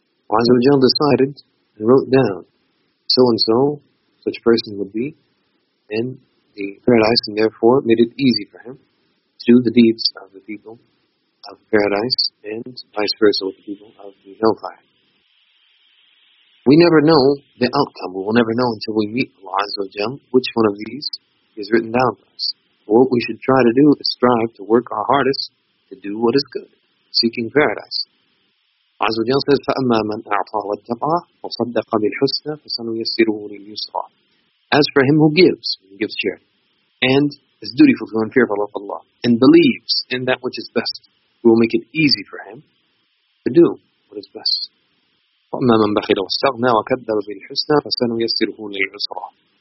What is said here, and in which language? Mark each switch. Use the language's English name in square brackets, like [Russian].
[English] Allah decided and wrote down so and so, such person would be in the paradise, and therefore made it easy for him to do the deeds of the people of paradise and vice versa with the people of the hellfire. We never know the outcome. We will never know until we meet Allah Azza wa Jal which one of these is written down for us. What we should try to do is strive to work our hardest to do what is good, seeking paradise. [Arabic] Allah Azza wa Jal [English] says, [Arabic] فَأَمَّا مَنْ أَعْطَى وَاتَّقَى وَصَدَّقَ بِالْحُسْنَى فَسَنُيَسِّرُهُ لِلْيُسْرَى. [English] As for him who gives, when he gives charity, and is dutiful to and fearful of Allah, and believes in that which is best, we will make it easy for him to do what is best. [Arabic] وَأَمَّا مَنْ بَخِلَ وَاسْتَغْنَى وَكَذَّبَ بِالْحُسْنَى فَسَنُيَسِّرُهُ لِلْعُسْرَى.